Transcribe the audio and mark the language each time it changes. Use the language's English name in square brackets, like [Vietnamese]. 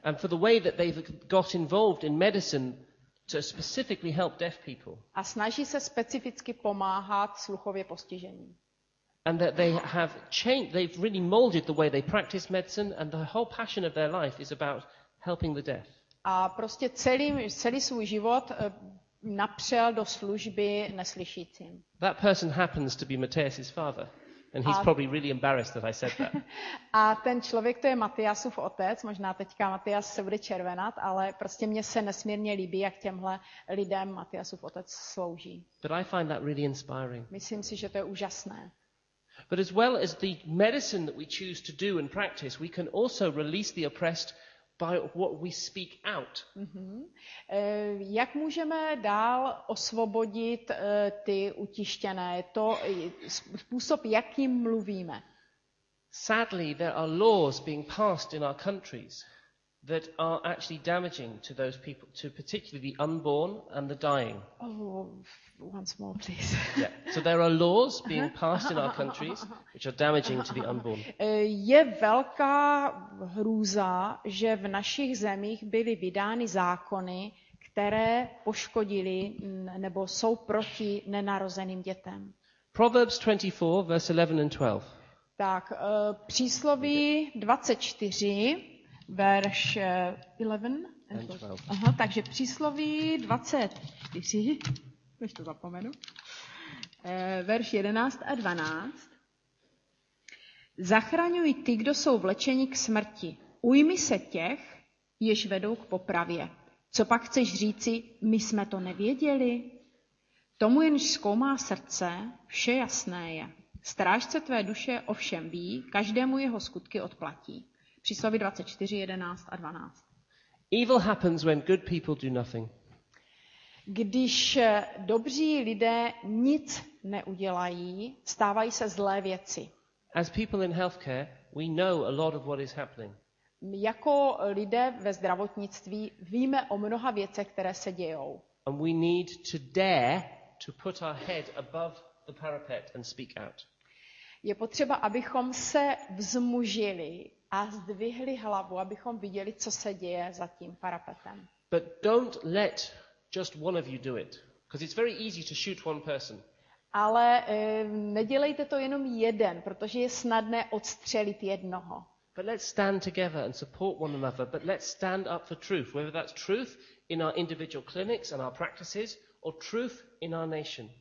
[English] And for the way that they've got involved in medicine to specifically help deaf people. [Czech] A snaží se specificky pomáhat sluchově postiženým. [English] And that they have changed, they've really molded the way they practice medicine, and the whole passion of their life is about helping the deaf. [Czech] A prostě celý svůj život napřel do služby neslyšícím. [English] That person happens to be Mateus's father. And he's probably really embarrassed that I said that. [Czech] A ten člověk, to je Matyasův otec, možná teďka Matyas se bude červenat, ale prostě mně se nesmírně líbí, jak těmhle lidem Matyasův otec slouží. [English] But I find that really inspiring. [Czech] Myslím si, že to je úžasné. [English] But as well as the medicine that we choose to do and practice, we can also release the oppressed by what we speak out. Mm-hmm. [Czech] Jak můžeme dál osvobodit ty utištěné? To způsob, jakým mluvíme. [English] Sadly, there are laws being passed in our countries that are actually damaging to those people, to particularly the unborn and the dying. Oh, once more, please. Yeah. So there are laws being passed in our countries which are damaging to the unborn. [Czech] Je velká hrůza, že v našich zemích byly vydány zákony, které poškodili nebo jsou proti nenarozeným dětem. [English] Proverbs 24, verse 11 and 12. [Czech] Tak, přísloví 24. Verš 11. Aha, takže přísloví 24, než to zapomenu, verš 11 a 12. Zachraňuj ty, kdo jsou vlečeni k smrti. Ujmi se těch, jež vedou k popravě. Co pak chceš říci, my jsme to nevěděli? Tomu jenž zkoumá srdce, vše jasné je. Strážce tvé duše ovšem ví, každému jeho skutky odplatí. Přísloví 24, 11 a 12. [English] Evil happens when good people do nothing. [Czech] Když dobří lidé nic neudělají, stávají se zlé věci. [English] As people in healthcare, we know a lot of what is happening. [Czech] Jako lidé ve zdravotnictví víme o mnoha věcech, které se dějou. [English] And we need to dare to put our head above the parapet and speak out. [Czech] Je potřeba, abychom se vzmužili a zdvihli hlavu, abychom viděli, co se děje za tím parapetem. [English] But don't let just one of you do it, because it's very easy to shoot one person. [Czech] Ale nedělejte to jenom jeden, protože je snadné odstřelit jednoho. [English] But let's stand together and support one another, but let's stand up for truth, whether that's truth in our individual clinics and our practices or truth in our nation.